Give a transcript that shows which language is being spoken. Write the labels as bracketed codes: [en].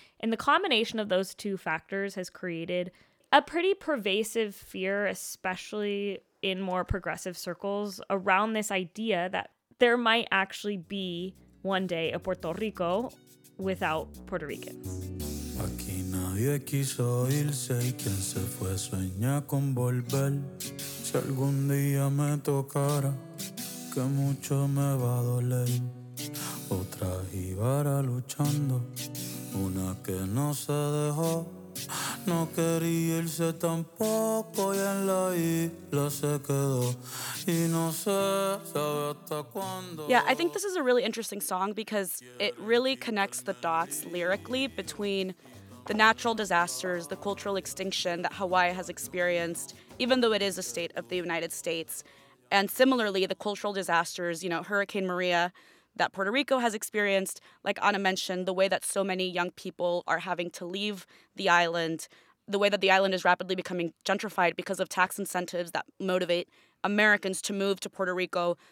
[en] And the combination of those two factors has created a pretty pervasive fear, especially in more progressive circles, around this idea that there might actually be one day a Puerto Rico without Puerto Ricans. [es] Aquí nadie quiso irse y quien se fue sueña con volver. Si algún día me tocara, que mucho me va a doler. Otra jíbara luchando, una que no se dejó. No quería irse tampoco y en la isla se quedó. Y no sé, sabe hasta cuándo. [en] Yeah, I think this is a really interesting song because it really connects the dots lyrically between the natural disasters, the cultural extinction that Hawaii has experienced, even though it is a state of the United States. And similarly, the cultural disasters, you know, Hurricane Maria that Puerto Rico has experienced, like Anna mentioned, the way that so many young people are having to leave the island, the way that the island is rapidly becoming gentrified because of tax incentives that motivate Americans to move to Puerto Rico.